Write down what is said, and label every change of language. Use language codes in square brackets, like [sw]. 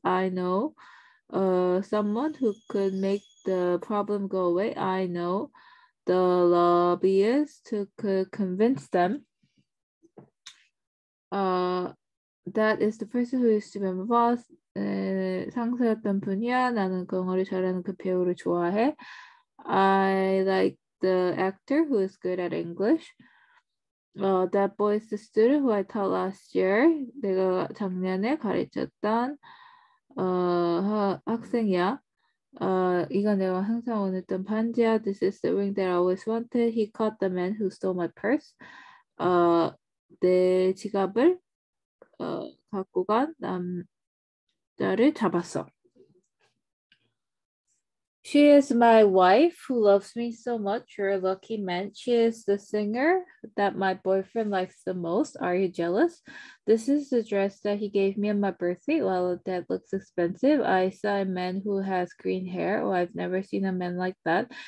[en] I know someone who could make the problem go away. I know the lobbyist who could convince them. That is the person who used to be my boss. [ko] 상사였던 분이야. 나는 영어를 잘하는 그 배우를 좋아해. [en] I like the actor who is good at English. That boy is the student who I taught last year. [ko] 내가 작년에 가르쳤던 학생이야. 이건 내가 항상 원했던 반지야. [en] This is the ring that I always wanted. He caught the man who stole my purse. [ko] 내 지갑을 갖고 간 남자를 잡았어. [en] She is my wife who loves me so much. You're a lucky man. She is the singer that my boyfriend likes the most. Are you jealous? This is the dress that he gave me on my birthday. Well, that looks expensive. I saw a man who has green hair. Oh, I've never seen a man like that.